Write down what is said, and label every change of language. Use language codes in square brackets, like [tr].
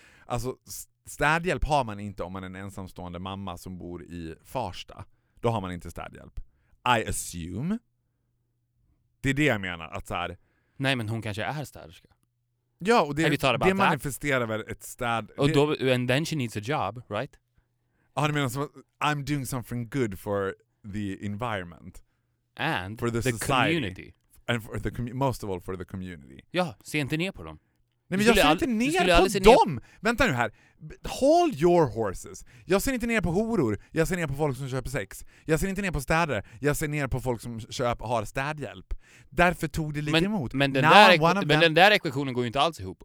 [sv] Alltså städhjälp har man inte om man är en ensamstående mamma som bor i Farsta. Då har man inte städhjälp. [en] I assume. [sv] Det är det jag menar. Att så här, nej, men hon kanske är städerska. Ja, och det manifesterar väl ett städ... Och då, [en] and then she needs a job, right? [sv] Ja, du menar som att [en] I'm doing something good for the environment. And for the community. And for the most of all for the community. [sv] Ja, se inte ner på dem. Nej, men jag ser inte ner på dem! Vänta nu här. [en] Hold your horses. [sv] Jag ser inte ner på horor. Jag ser ner på folk som köper sex. Jag ser inte ner på städer. Jag ser ner på folk som köper, har städhjälp. Därför tog det lite emot. Men den, där den där ekvationen går ju inte alls ihop.